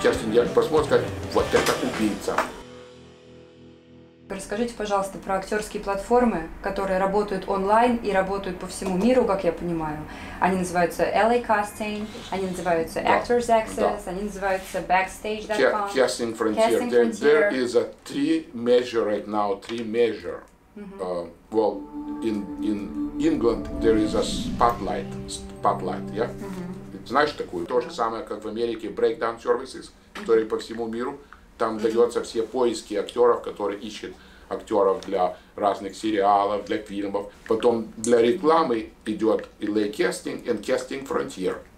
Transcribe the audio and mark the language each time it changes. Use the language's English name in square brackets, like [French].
[Russian] Кирстен, я посмотрю, сказать, вот это убийца. Расскажите, пожалуйста, про актерские платформы, которые работают онлайн и работают по всему миру, как я понимаю. Они называются LA Casting, они называются Actors Access, они называются Backstage.com. [English] Casting Frontier. There is a three major right now, three major. Well, in England there is a Spotlight, yeah? [Russian] Знаешь такую? То же самое, как в Америке, Breakdown Services, которые по всему миру. там дается все поиски актеров, которые ищут актеров для разных сериалов, для фильмов. Потом для рекламы идет LA Casting и Casting Frontier.